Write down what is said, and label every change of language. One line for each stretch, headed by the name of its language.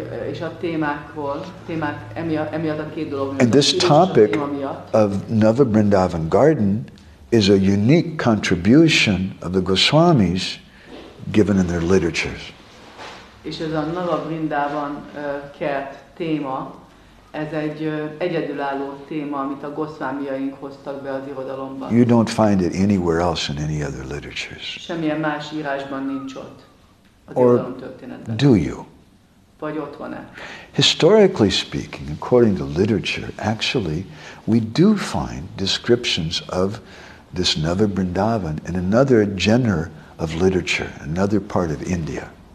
Hungarian: És a témákról, témák emiatt a két dolog.
English: And this topic of Nava Vrindavan Garden is a unique contribution of the Goswamis given in their literatures.
Hungarian: És ez a Nava Vrindavan kert téma, ez egy egyedülálló téma, amit a Goswamiaink hoztak be az irodalomban.
English: You don't find it anywhere else in any other literatures.
Hungarian: Semmilyen más írásban nincs ott.
English: Or do you?
Hungarian: Vagy ott van-e?
English: Historically speaking, according to literature, actually, we do find descriptions of this Nava Vrindavan in another genre of literature, another part of India.